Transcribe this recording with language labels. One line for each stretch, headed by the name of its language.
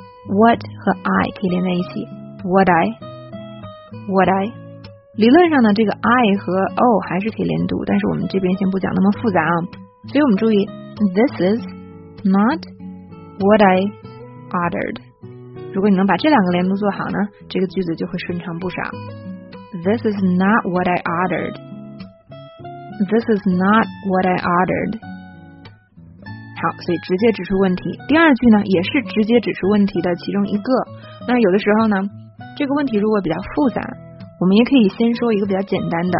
Chinese: What 和 I 可以连在一起， What I 理论上呢这个 I 和 O 还是可以连读，但是我们这边先不讲那么复杂啊，所以我们注意
English: This is not what I ordered。
Chinese: 如果你能把这两个连读做好呢，这个句子就会顺畅不少。
English: This is not what I ordered. This is not what I ordered.
Chinese: 好，所以直接指出问题。第二句呢，也是直接指出问题的其中一个。那有的时候呢，这个问题如果比较复杂，我们也可以先说一个比较简单的。